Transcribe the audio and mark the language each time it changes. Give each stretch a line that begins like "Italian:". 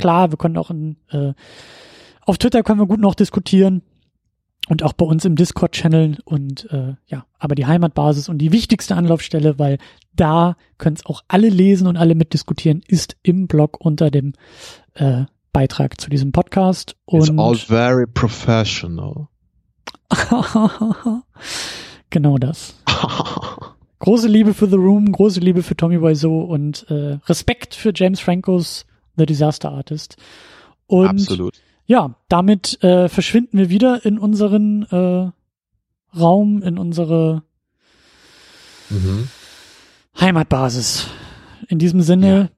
German: Klar, wir können auch auf Twitter können wir gut noch diskutieren und auch bei uns im Discord-Channel und ja, aber die Heimatbasis und die wichtigste Anlaufstelle, weil da können es auch alle lesen und alle mitdiskutieren, ist im Blog unter dem Beitrag zu diesem Podcast. Und
English: it's all very professional.
German: Genau das. Große Liebe für The Room, große Liebe für Tommy Wiseau und Respekt für James Francos The Disaster Artist. Und absolut. Ja, damit verschwinden wir wieder in unseren Raum, in unsere Heimatbasis. In diesem Sinne, ja.